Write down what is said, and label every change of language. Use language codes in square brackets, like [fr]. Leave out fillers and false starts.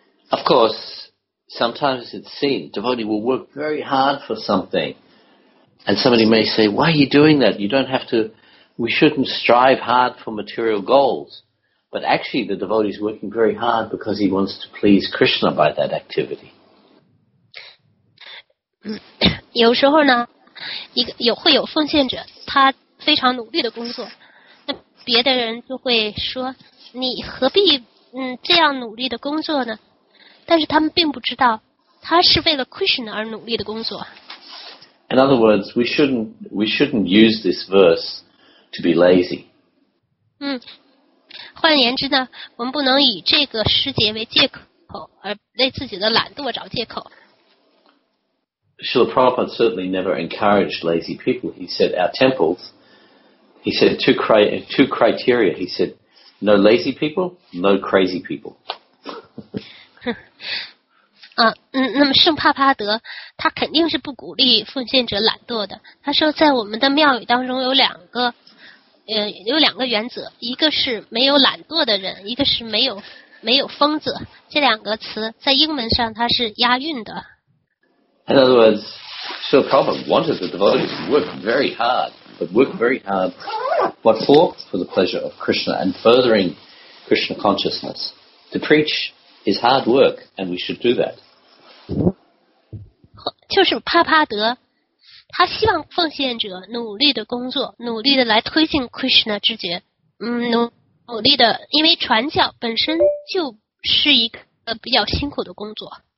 [en] Of course, sometimes it's seen devotee will work very hard for something, and somebody may say, "Why are you doing that? You don't have to. We shouldn't strive hard for material goals." But actually, the devotee is working very hard because he wants to please Krishna by that activity. [zh] 有时候呢，会有奉献者，他非常努力的工作，那别的人就会说，你何必这样努力的工作呢？但是他们并不知道，他是为了 Krishna 而努力的工作。 [en] In other words, we shouldn't use this verse to be lazy. [zh] 换言之呢，我们不能以这个诗节为借口，而为自己的懒惰找借口。 [en] Srila Prabhupada certainly never encouraged lazy people. He said our temples. He said two criteria. He said no lazy people, no crazy people. [zh] 那么圣帕帕德他肯定是不鼓励奉献者懒惰的。他说，在我们的庙宇当中有两个。有两个原则，一个是没有懒惰的人，一个是没有疯子。这两个词在英文上它是押韵的。 [en] In other words, Sri Prabhupada wanted the devotees to work very hard, but work very hard, what for? For the pleasure of Krishna and furthering Krishna consciousness. To preach is hard work, and we should do that. [zh] 就是帕帕德。他希望奉献者努力的工作，努力的来推进 Krishna 之觉，努力的，因为传教本身就是一个比较辛苦的工作。